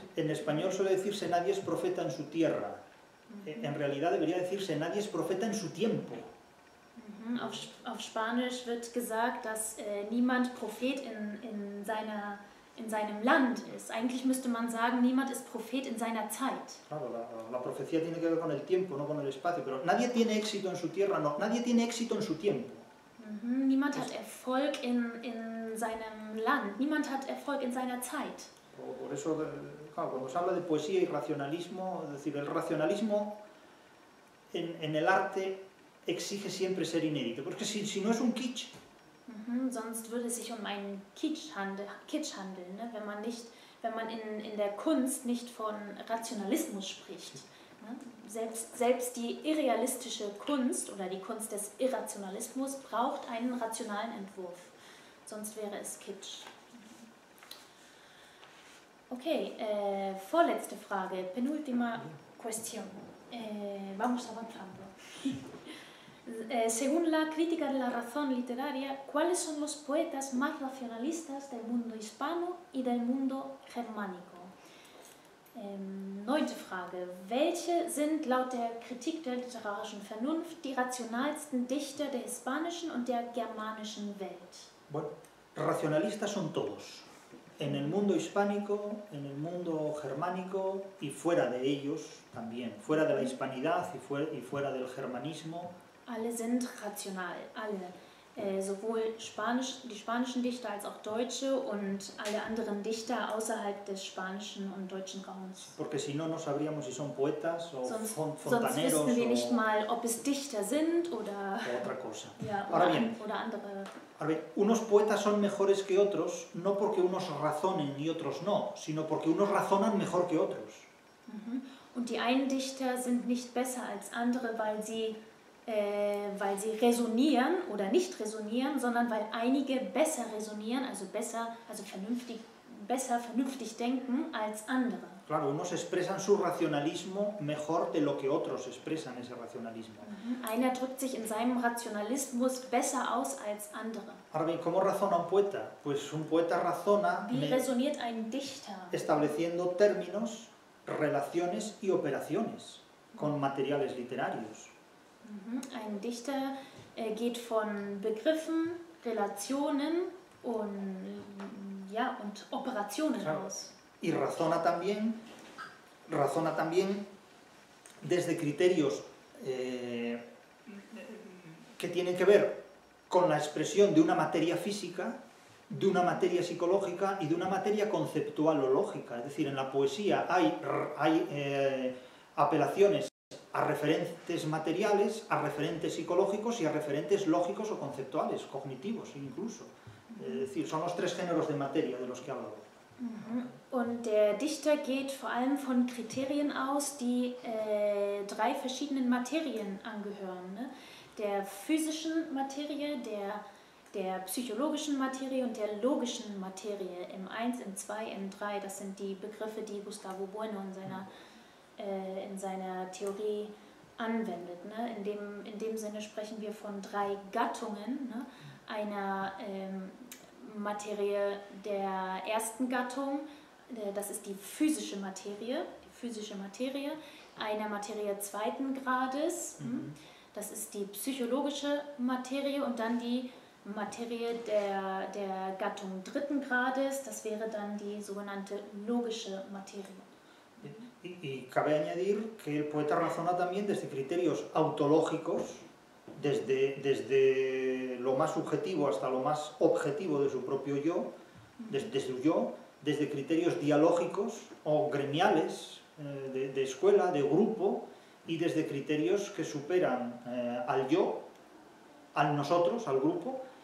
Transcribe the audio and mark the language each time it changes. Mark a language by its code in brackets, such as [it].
[es] En español suele decirse nadie es profeta en su tierra. En realidad debería decirse nadie es profeta en su tiempo. [de] Auf Spanisch wird gesagt, dass niemand Prophet in seinem Land ist. Eigentlich müsste man sagen, niemand ist Prophet in seiner Zeit. [es] Claro, la profecía tiene que ver con el tiempo, no con el espacio. Pero nadie tiene éxito en su tierra, no. Nadie tiene éxito en su tiempo. [de] Niemand hat Erfolg in seinem Land. Niemand hat Erfolg in seiner Zeit. [es] Por eso, claro, cuando se habla de poesía y racionalismo, es decir, el racionalismo en el arte exige siempre ser inédito. Porque si no es un kitsch. [de] Sonst würde es sich um einen Kitsch handeln, ne? wenn man in der Kunst nicht von Rationalismus spricht. Ne? Selbst die irrealistische Kunst oder die Kunst des Irrationalismus braucht einen rationalen Entwurf. Sonst wäre es Kitsch. [es] Okay, [de] vorletzte Frage, [es] penultima question. Vamos avanzando. Según la crítica de la razón literaria, ¿cuáles son los poetas más racionalistas del mundo hispano y del mundo germánico? [de] Neunte Frage. Welche sind laut der Kritik der literarischen Vernunft die rationalsten Dichter der hispanischen und der germanischen Welt? [es] Bueno, racionalistas son todos. En el mundo hispánico, en el mundo germánico y fuera de ellos también. Fuera de la hispanidad y fuera del germanismo. [de] Alle sind rational, alle. Sowohl die spanischen Dichter als auch deutsche und alle anderen Dichter außerhalb des spanischen und deutschen Raums. [es] Porque si no, no sabríamos si son poetas o fontaneros. [de] Sonst wüssten wir nicht mal, ob es Dichter sind oder [es] otra cosa. [de] Oder andere. [es] Ahora bien, unos poetas son mejores que otros, no porque unos razonen y otros no, sino porque unos razonan mejor que otros. [de] Und die einen Dichter sind nicht besser als andere, weil sie resonieren oder nicht resonieren, sondern weil einige besser resonieren, also besser vernünftig denken als andere. [es] Claro, unos expresan su racionalismo mejor de lo que otros expresan ese racionalismo. [de] Einer drückt sich in seinem Rationalismus besser aus als andere. [es] Ahora bien, ¿cómo razona un poeta? Pues un poeta razona. [de] Wie resoniert ein Dichter? [es] Estableciendo términos, relaciones y operaciones con materiales literarios. [de] Ein Dichter geht von Begriffen, Relationen und Operationen aus. [es] Y razona también desde criterios que tienen que ver con la expresión de una materia física, de una materia psicológica y de una materia conceptual o lógica. Es decir, en la poesía hay apelaciones a referentes materiales, a referentes psicológicos y a referentes lógicos o conceptuales, cognitivos incluso. Es decir, son los tres géneros de materia de los que hablo. [de] Und der Dichter geht vor allem von Kriterien aus, die drei verschiedenen Materien angehören, ne? Der physischen Materie, der psychologischen Materie und der logischen Materie. M1, M2, M3, das sind die Begriffe, die Gustavo Bueno in seiner Theorie anwendet, ne? In dem Sinne sprechen wir von drei Gattungen, ne? Einer Materie der ersten Gattung, das ist die physische Materie, einer Materie zweiten Grades, das ist die psychologische Materie und dann die Materie der Gattung dritten Grades, das wäre dann die sogenannte logische Materie. [es] Y cabe añadir que el poeta razona también desde criterios autológicos, desde lo más subjetivo hasta lo más objetivo de su propio yo, desde criterios dialógicos o gremiales de escuela, de grupo, y desde criterios que superan al yo, al nosotros, al grupo,